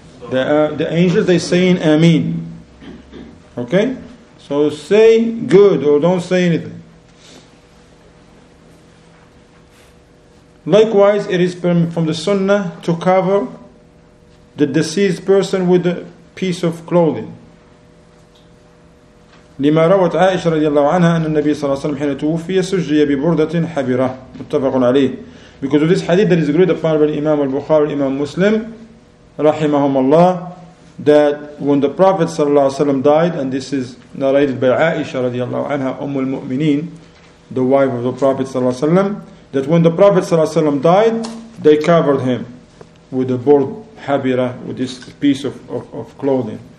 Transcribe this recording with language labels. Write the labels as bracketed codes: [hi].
[en] The angels, they say in Ameen. Okay? So say good or don't say anything. Likewise, it is from the sunnah to cover the deceased person with a piece of clothing. [ar] لما روت عائشة رضي الله عنها أن النبي صلى الله عليه وسلم حين توفي سجي ببردة حبرة متفق عليه. [en] Because of this hadith that is agreed upon by Imam al-Bukhari, Imam Muslim, رحمهم الله, that when the Prophet صلى الله عليه وسلم died, and this is narrated by Aisha رضي الله عنها, [ar] أم المؤمنين, [en] the wife of the Prophet صلى الله عليه وسلم, that when the Prophet صلى الله عليه وسلم died, they covered him with a burd habira, with this piece of clothing.